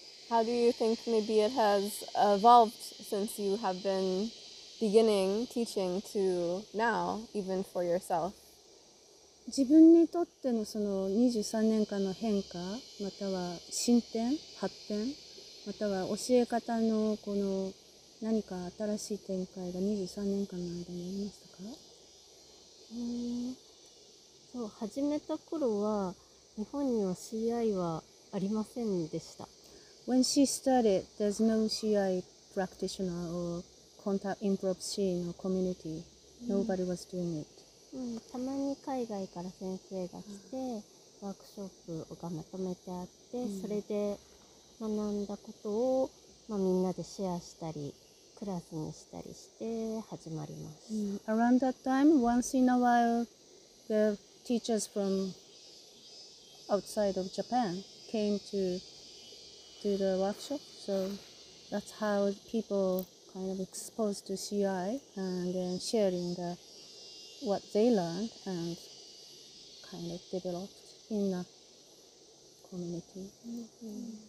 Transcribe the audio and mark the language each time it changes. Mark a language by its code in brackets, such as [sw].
[en] How do you think maybe it has evolved since you have been beginning teaching to now, even for yourself? [ja] 自分にとってのその23年間の変化、または進展、発展、または教え方のこの何か新しい展開が23年間の間にありましたか？そう、始めた頃は日本には CI はありませんでした。 [en] When she started, there's no CI practitioner or contact improv scene or community. Nobody was doing it. [ja] たまに海外から先生が来て、ワークショップがまとめてあって、それで学んだことを、みんなでシェアしたり、クラスにしたりして始まります。 [en] Around that time, once in a while, the teachers from outside of Japan came to do the workshop. So that's how people kind of exposed to CI and then sharing the, what they learned and kind of developed in the community.